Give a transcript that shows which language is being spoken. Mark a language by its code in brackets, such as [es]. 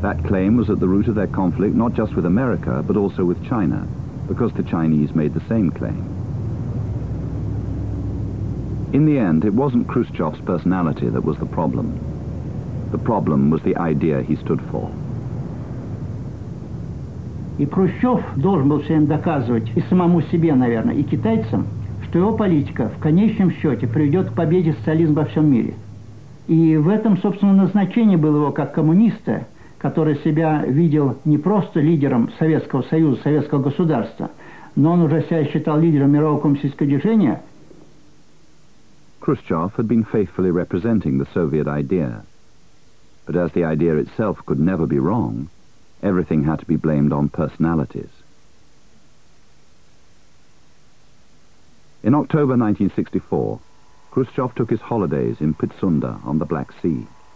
[en] That claim was at the root of their conflict, not just with America, but also with China, because the Chinese made the same claim. In the end, it wasn't Khrushchev's personality that was the problem. The problem was the idea he stood for. [ru] И Хрущев должен был всем доказывать, и самому себе, наверное, и китайцам, что его политика в конечном счете приведет к победе социализма во всем мире. И в этом, собственно, назначение было его как коммуниста, который себя видел не просто лидером Советского Союза, Советского государства, но он уже себя считал лидером мирового коммунистического движения. [en] Khrushchev had been faithfully representing the Soviet idea. But as the idea itself could never be wrong, everything had to be blamed on personalities. In October 1964, Khrushchev took his holidays in Pitsunda on the Black Sea.